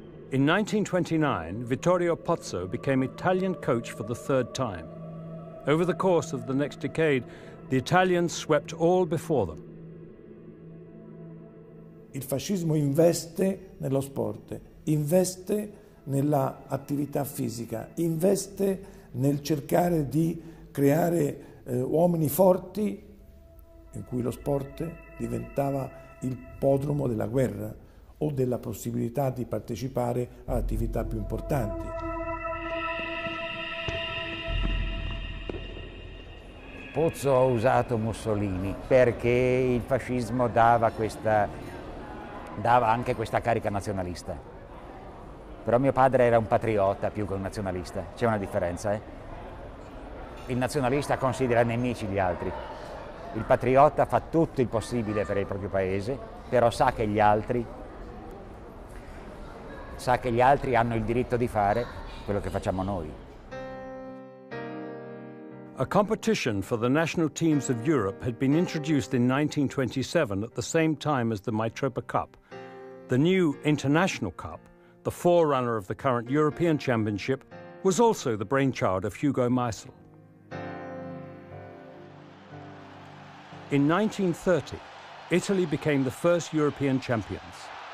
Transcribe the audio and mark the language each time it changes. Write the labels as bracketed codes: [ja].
[en] In 1929, Vittorio Pozzo became Italian coach for the third time. Over the course of the next decade, the Italians swept all before them. [it] Il fascismo investe nello sport, investe nella attività fisica, investe nel cercare di creare uomini forti, in cui lo sport diventava il podromo della guerra o della possibilità di partecipare a attività più importanti. Pozzo ha usato Mussolini perché il fascismo dava anche questa carica nazionalista. Però mio padre era un patriota più che un nazionalista. C'è una differenza, eh? Il nazionalista considera nemici gli altri. Il patriota fa tutto il possibile per il proprio paese, però sa che gli altri hanno il diritto di fare quello che facciamo noi. [en] A competition for the national teams of Europe had been introduced in 1927 at the same time as the Mitropa Cup. The new International Cup, the forerunner of the current European Championship, was also the brainchild of Hugo Maisel. In 1930, Italy became the first European champions.